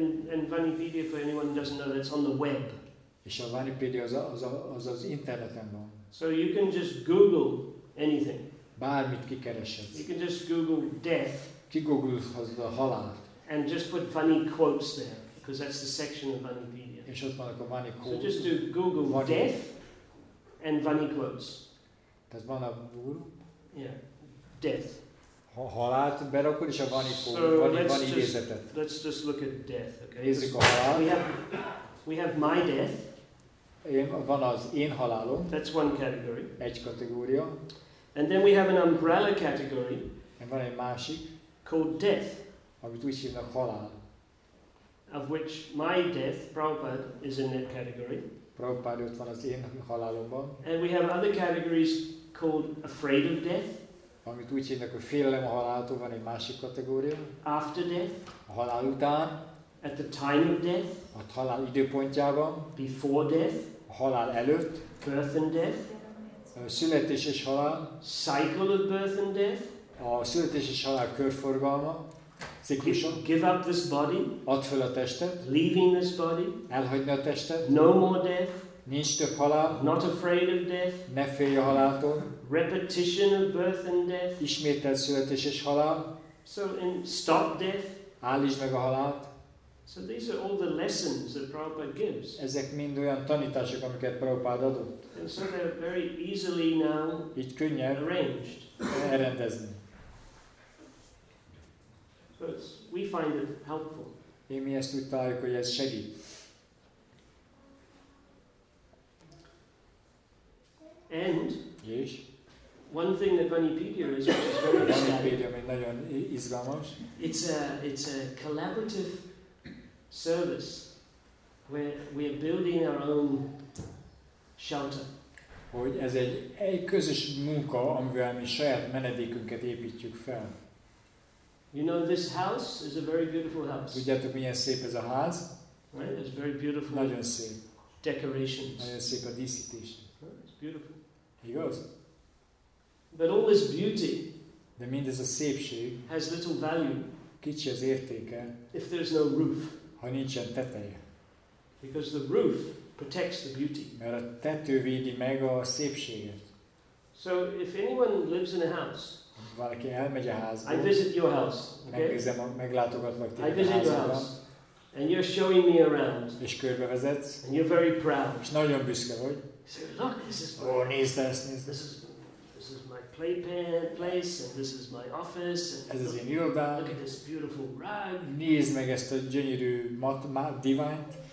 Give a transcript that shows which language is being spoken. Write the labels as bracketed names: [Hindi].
[English] And Vanipedia, for anyone who doesn't know, that's on the web. [Hungarian] És a Vanipedia az interneten van. [English] So you can just Google anything. [Hungarian] Bármit kikeresed. [English] You can just Google death. [Hungarian] Kigoogled a halált. [English] And just put funny quotes there, because that's the section of Vanipedia. [Hungarian] És ott van a [English] funny quote. So just do Google funny. Death and funny quotes. [Hungarian] Tehát van a Google? [English] Yeah. Death. [Hungarian] Halált berakod, és a [English] funny quote. So let's just look at death, okay? [Hungarian] Nézzük a halált. [English] We have my death. [Hungarian] Van az én halálom. [English] That's one category. [Hungarian] Egy kategória. [English] And then we have an umbrella category. [Hungarian] And van egy másik. [English] Called death. [Hungarian] Amit úgy hívnak halál. [English] Of which my death, Prabhupada, is in that category. [Hungarian] Prabhupada ott van az én halálomban. [English] And we have other categories called afraid of death. [Hungarian] Amit úgy hívnak, hogy félelem a haláltól, van egy másik kategória. [English] After death. [Hungarian] A halál után. [English] At the time of death. [Hungarian] A halál időpontjában. [English] Before death. [Hungarian] A halál előtt. [English] Birth and death. [Hungarian] A születés és halál. [English] Cycle of birth and death. [Hungarian] A születés és halál körforgalma. [English] Give up this body. [Hungarian] Add fel a testet. [English] Leaving this body. [Hungarian] Elhagyni a testet. [English] No more death. [Hungarian] Nincs több halál. [English] Not afraid of death. [Hungarian] Ne félj a haláltól. [English] Repetition of birth and death. [Hungarian] Ismételt születés és halál. [English] So and stop death. [Hungarian] Állítsd meg a halált. [English] So these are all the lessons that Prabhupada gives. [Hungarian] Ezek mind olyan tanítások, amiket Prabhupada adott. [English] And so they're very easily now [Hungarian] így könnyen [English] arranged. [Hungarian] Elrendezni. [English] But we find it helpful. [Hungarian] Én mi ezt úgy találjuk, hogy ez segít. [English] And yes. One thing that Vanipedia is, which is very exciting. [Hungarian] Vanipedia nagyon izgalmas. [English] It's a collaborative service where we are building our own shelter. [Hungarian] Hogy ez egy közös munka, amivel mi saját menedékünket építjük fel. [English] You know, this house is a very beautiful house. [Hungarian] Tudjátok, milyen szép ez a ház? [English] Right? It's very beautiful. [Hungarian] Nagyon szép. [English] Decorations. [Hungarian] Nagyon szép a díszítés. [English] It's beautiful. [Hungarian] Igaz? [English] But all this beauty, [Hungarian] de mindez a szépség, [English] has little value. [Hungarian] Kicsi az értéke. [English] If there's no roof. [Hungarian] Ha nincsen teteje. [English] Because the roof protects the beauty. [Hungarian] Mert a tető védi meg a szépséget. [English] So if anyone lives in a house, [Hungarian] valaki elmegy a házba, [English] I visit your house. Okay? [Hungarian] Meglátogatlak téged. [English] I visit your house. And you're showing me around. [Hungarian] És körbevezetsz. [English] And you're very proud. [Hungarian] És nagyon büszke vagy. [English] So look, this is. [Hungarian] Oh, nézd ezt, nézd. [English] This is my play place, and this is my office. [Hungarian] Ez az én irodám. [English] Look at this beautiful rug. [Hungarian] Nézd meg ezt a gyönyörű mat divant.